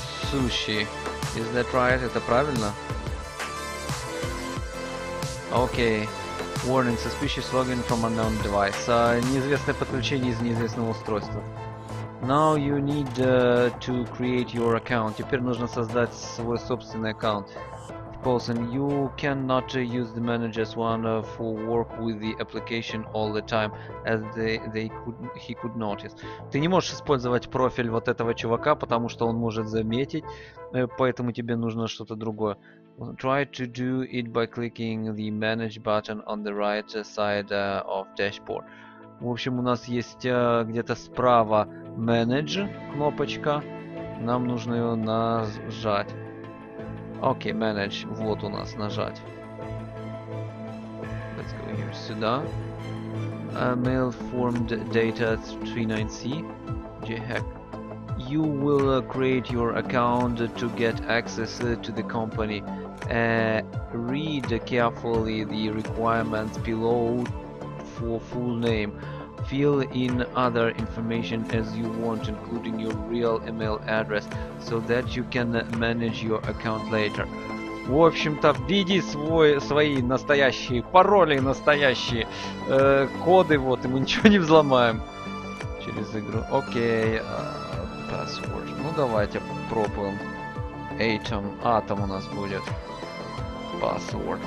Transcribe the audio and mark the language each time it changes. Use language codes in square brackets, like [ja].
[en] Sushi. Is that right? [ru] Это правильно? [en] Okay. Warning. Suspicious login from unknown device. [ru] Неизвестное подключение из неизвестного устройства. [en] Now you need to create your account. [ru] Теперь нужно создать свой собственный аккаунт. [en] Paulson, you cannot use the manager's one for work with the application all the time, as he could notice. [ru] Ты не можешь использовать профиль вот этого чувака, потому что он может заметить, поэтому тебе нужно что-то другое. [en] Try to do it by clicking the manage button on the right side of dashboard. [ru] В общем, у нас есть где-то справа manage кнопочка, нам нужно ее нажать. Окей, okay, manage, вот у нас, нажать. [en] let's go here. Suda. Mail formed data 39C. JHack. You will create your account to get access to the company. Read carefully the requirements below for full name. Fill in other information as you want, including your real email address, so that you can manage your account later. [ru] В общем-то, введи свои настоящие пароли, настоящие коды, вот, и мы ничего не взломаем через игру. Окей, password. Ну, давайте попробуем. Atom у нас будет. Password.